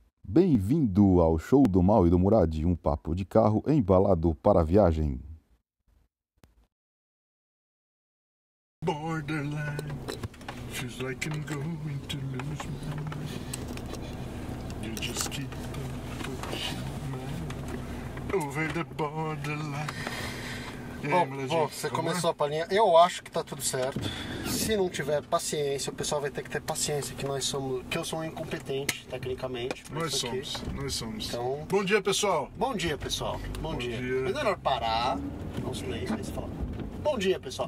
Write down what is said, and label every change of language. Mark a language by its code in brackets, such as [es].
[pt] Bem-vindo ao Show do Mal e do Murad, um papo de carro embalado para a viagem. [en] Borderline, feels like I'm going to lose my mind. You just keep on pushing my over the borderline. [pt] Bom, você começou a palhinha. Eu acho que tá tudo certo. Se não tiver paciência, o pessoal vai ter que ter paciência, que nós somos. Que eu sou um incompetente, tecnicamente. Nós somos. Então, bom dia, pessoal! Bom dia, pessoal. Bom dia. Dia. É melhor parar. Não sei, aí você fala. Bom dia, pessoal.